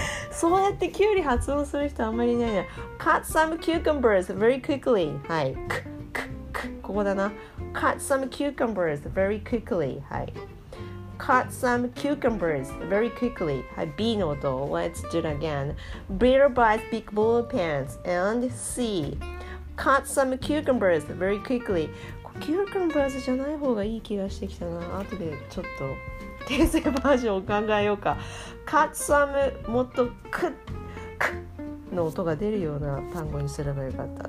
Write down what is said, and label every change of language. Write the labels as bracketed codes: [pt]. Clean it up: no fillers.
[ja] そうやってキュウリ発音する人あんまりいないな。 [en] cut some cucumbers very quickly、 [ja] はい、クククク、ここだな。 [en] cut some cucumbers very quickly、 はい、Cut some cucumbers very quickly。 [ja] はい、 B の音。 [en] Let's do it again。 Bear buys big blue pants。 And C。 Cut some cucumbers very quickly。 [ja] Cucumbers じゃない方がいい気がしてきたな。後でちょっと訂正バージョンを考えようか。 Cut some、 もっとクックッの音が出るような単語にすればよかった。